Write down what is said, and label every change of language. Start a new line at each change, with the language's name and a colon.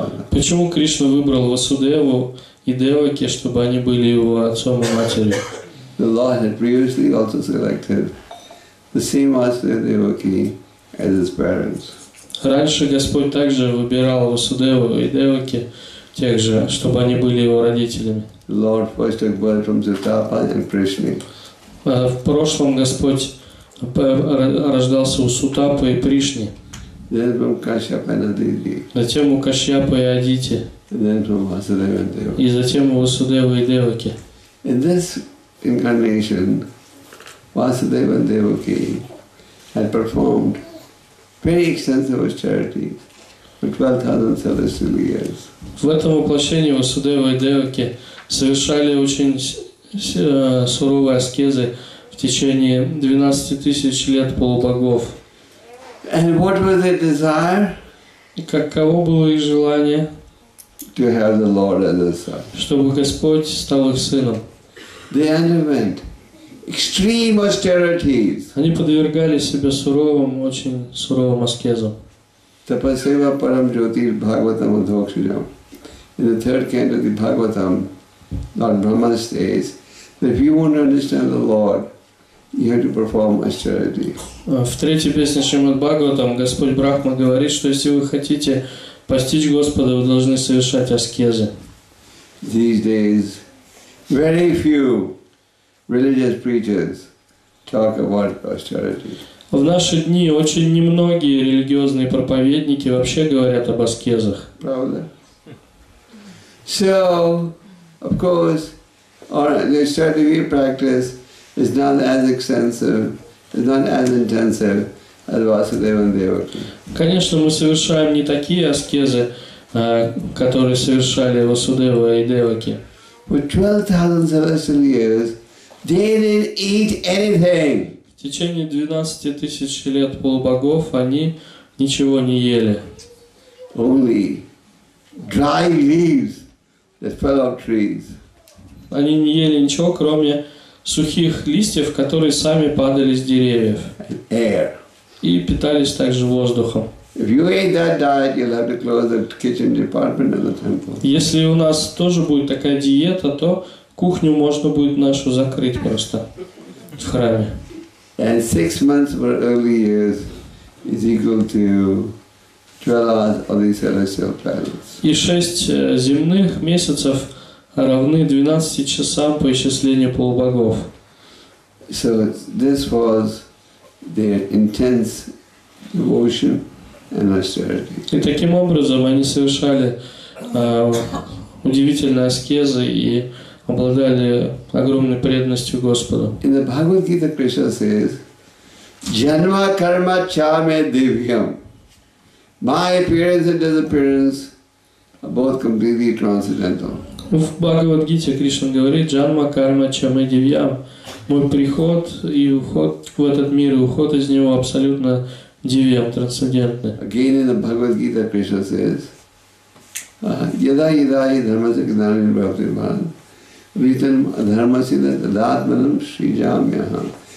Russian: Почему Кришна выбрал Васудеву и Деваки, чтобы они были его отцом и матерью?
English: The Lord had previously also selected the same Vasudeva Devaki as his parents.
Russian: Раньше Господь также выбирал Васудеву и Деваки тех же, чтобы они были его родителями.
English: The Lord first took birth from Sutapa and Prishni.
Russian: В прошлом Господь рождался у Сутапы и Пришни.
English: Then from Kashyapa and Aditi.
Russian: Затем у Кашьяпы и Адити.
English: And then from Vasudeva and Devaki.
Russian: И затем у Васудевы и Деваки.
English: In this incarnation, Vasudeva and Devaki had performed very extensive austerities for 12,000 celestial years.
Russian: В этом воплощении Васудева и Деваки совершали очень суровые аскезы в течение 12,000 лет полубогов.
English: And what was their desire?
Russian: И каково было их желание?
English: To have the Lord as their son.
Russian: Чтобы Господь стал их сыном.
English: They underwent extreme austerities.
Russian: Они подвергали себя суровым, очень суровым аскезам.
Sanskrit: Tapasya param jyotir bhagavatam udhokshujam.
English: In the third canto of the Bhagavatam, Lord Brahma says that if you want to understand the Lord, you have to perform austerity.
Russian: В третьей песне Шримад-Бхагаватам Господь Брахма говорит, что если вы хотите постичь Господа, вы должны совершать аскезы.
English: These days, very few religious preachers talk about austerity.
Russian: В наши дни очень немногие религиозные проповедники вообще говорят об аскезах. Правда?
English: So, of course, austerity we practice is not as extensive, is not as intensive as Vasudeva and Devaki.
Russian: Конечно, мы совершаем не такие аскезы, которые совершали Васудева и Деваки.
English: For 12,000 celestial years, they didn't eat anything.
Russian: В течение 12,000 лет полубогов они ничего не ели.
English: Only dry leaves that fell off trees.
Russian: Они не ели ничего, кроме сухих листьев, которые сами падали с деревьев.
English: Air.
Russian: И питались также воздухом.
English: If you ate that diet, you'll have to close the kitchen department of the temple.
Russian: Если у нас тоже будет такая диета, то кухню можно будет нашу закрыть просто в храме.
English: And 6 months for early years is equal to 12 of these celestial planets.
Russian: И 6 земных месяцев равны 12 часам по исчислению полубогов.
English: So this was their intense devotion and austerity.
Russian: И таким образом они совершали удивительные аскезы и обладали огромной преданностью Господу.
English: In the Bhagavad Gita, Krishna says,
Sanskrit: "Janma karma chame divyam."
English: My appearance and disappearance are both completely transcendental.
Russian: В Бхагавад-гите Кришна говорит:
Sanskrit: «Джанма карма чаме дивьям».
Russian: Мой приход и уход в этот мир и уход из него абсолютно дивьям, трансцендентны.
English: Again in the Bhagavad-гита Krishna says:
Sanskrit: «Yada yada dharma se gnanin bhaktirman vritan dharma se dadatmanam shrijam yaham».